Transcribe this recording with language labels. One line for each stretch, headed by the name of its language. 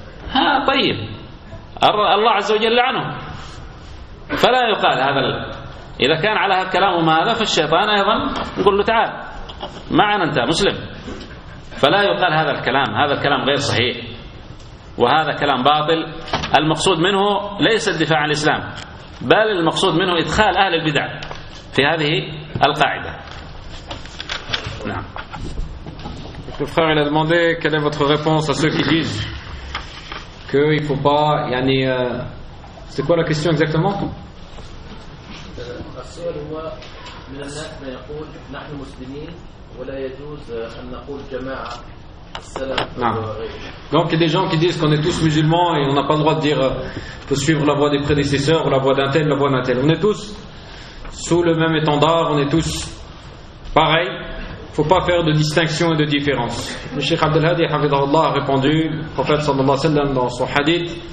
Arabic: ها طيب الله عز وجل لعنه فلا يقال هذا إذا كان على هذا الكلام وماذا فالشيطان أيضا يقول له تعال معنا أنت مسلم فلا يقال هذا الكلام هذا الكلام غير صحيح وهذا كلام باطل المقصود منه ليس الدفاع عن الإسلام بل المقصود منه إدخال أهل البدع في هذه القاعدة. نعم.
French: Le frère il a demandé quelle est votre réponse à ceux qui disent que il faut pas يعني c'est quoi la question exactement?
Arabic: السؤال هو من الناس ما يقول نحن مسلمين ولا يجوز أن نقول جماعة
French: Non. Donc il y a des gens qui disent qu'on est tous musulmans et on n'a pas le droit de dire de suivre la voie des prédécesseurs ou la voie d'un tel, la voie d'un tel. On est tous sous le même étendard, on est tous pareils. Il ne faut pas faire de distinction et de différence. Le Cheikh Abdelhadi a répondu, le prophète sallallahu alayhi wa sallam dans son hadith,